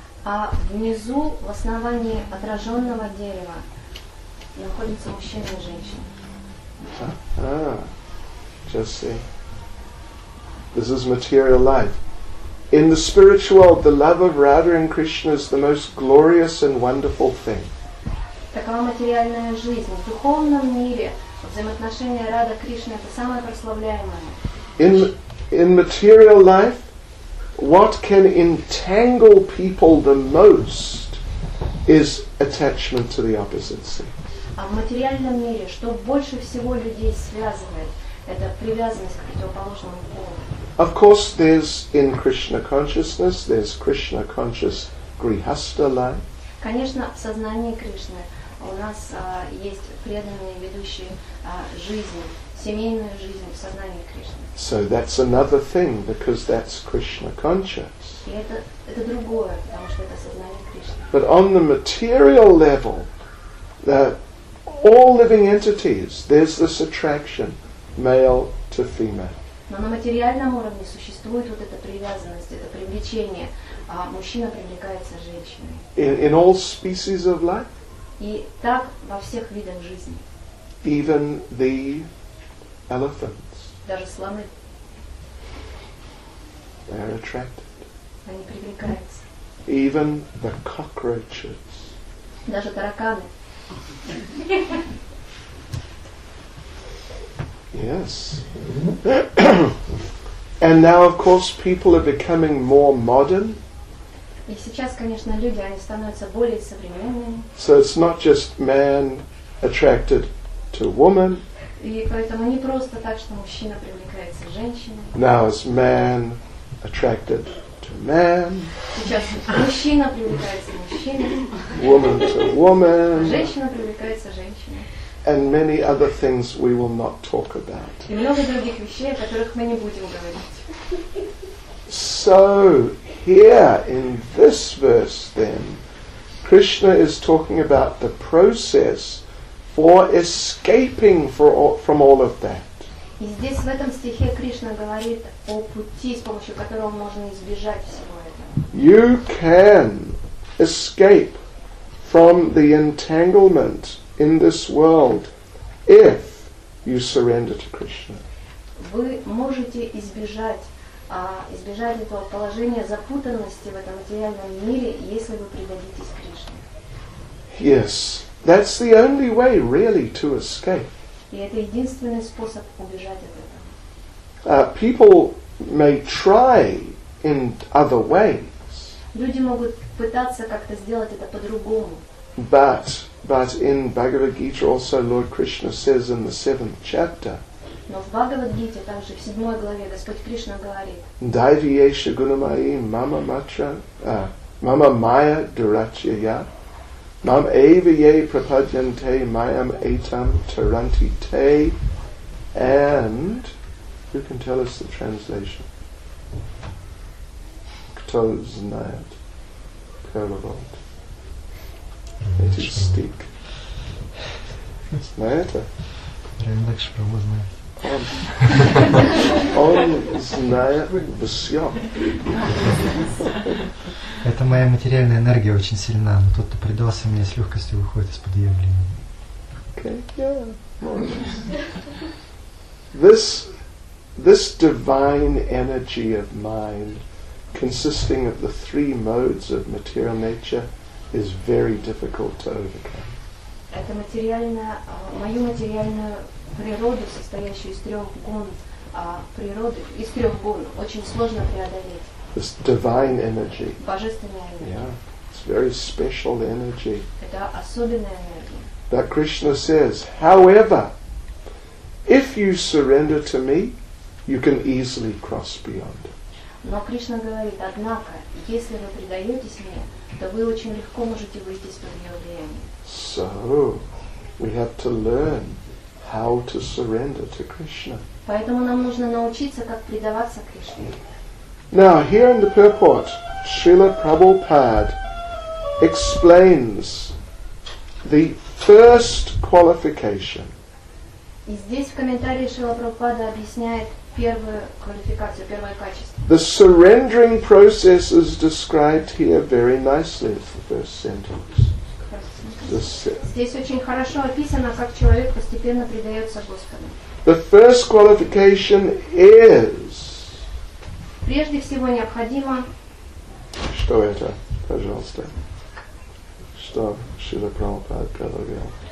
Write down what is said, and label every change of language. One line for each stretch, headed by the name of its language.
Russian: А внизу, в основании отраженного дерева, находится мужчина и женщина.
English: Just see. This is material life. In the spiritual world, the love of Radha and Krishna is the most glorious and wonderful thing.
Russian: Такова материальная жизнь. В духовном мире взаимоотношения Радха Кришны – это самое прославляемое.
English: In material life, what can entangle people the most is attachment to the opposite sex.
Russian: А в материальном мире, что больше всего людей связывает, это привязанность к противоположному полу.
English: Of course, there's in Krishna consciousness, there's Krishna conscious grihastha life.
Russian: Конечно, в сознании Кришны у нас есть преданные, ведущие жизнь, семейную жизнь в сознании Кришны.
English: So that's another thing, because that's Krishna conscious.
Russian: И это другое, потому что это сознание Кришны.
English: But on the material level, that all living entities, there's this attraction, male to female.
Russian: Но на материальном уровне существует вот эта привязанность, это привлечение. Мужчина привлекается женщиной.
English: In all species of life?
Russian: И так во всех видах жизни.
English: Even the elephants.
Russian: Даже слоны.
English: They are attracted.
Russian: Они привлекаются.
English: Even the cockroaches.
Russian: Даже тараканы.
English: Yes. And now, of course, people are becoming more modern.
Russian: И сейчас, конечно, люди, они становятся более современными.
English: So it's not just man attracted to woman.
Russian: И поэтому не просто так, что мужчина привлекается к женщине.
English: Now it's man attracted to man.
Russian: Сейчас мужчина привлекается к мужчине.
English: Woman to woman.
Russian: Женщина привлекается к женщине.
English: And many other things we will not talk about.
Russian: И много других вещей, о которых мы не будем говорить.
English: So here in this verse, then, Krishna is talking about the process for escaping from all of that.
Russian: И здесь в этом стихе Кришна говорит о пути, с помощью которого можно избежать всего этого.
English: You can escape from the entanglement in this world if you surrender to Krishna.
Russian: Вы можете избежать этого положения запутанности в этом материальном мире, если вы предадитесь Кришне.
English: Yes, that's the only way really to escape.
Russian: И это единственный способ убежать от этого.
English: People may try in other ways.
Russian: Люди могут пытаться как-то сделать это по-другому.
English: But in Bhagavad Gita also Lord Krishna says in the 7th chapter.
Russian: Но в Бхагавад-гите, также в 7 главе, Господь Кришна говорит.
Sanskrit: Дайвиеша гунамаи мама матра, мама майя дурачья, мам эвие прападьянте майам этам таранти те.
English: And who can tell us the translation?
Russian: Кто знает? Перловод. Эти стик. Знает? Рендакш Прабху знает. Он знает все. Это моя материальная энергия очень сильна, но тот, кто предался мне, с легкостью выходит из-под ее влияния.
English: Okay, yeah. This divine energy of mind, consisting of the three modes of material nature, is very difficult to overcome.
Russian: Это мою материальную природу, состоящую из трех гун, очень сложно преодолеть.
English: This divine energy.
Russian: Божественная энергия.
English: Yeah, it's very special energy.
Russian: Это особенная энергия.
English: But Krishna says, however, if you surrender to me, you can easily cross beyond.
Russian: Но Кришна говорит, однако, если вы предаетесь мне, то вы очень легко можете выйти из под ее влияния.
English: So, we have to learn how to surrender to Krishna.
Russian: Поэтому нам нужно научиться, как предаваться Кришне.
English: Now, here in the purport, Srila Prabhupada explains the first qualification.
Russian: И здесь в комментарии Шрила Прабхупада объясняет первую квалификацию, первое качество.
English: The surrendering process is described here very nicely in the first sentence.
Russian: Здесь очень хорошо описано, как человек постепенно предается Господу.
English: The first qualification is...
Russian: Прежде всего необходимо... Что это? Пожалуйста. Что Шрила Прабхупада говорил?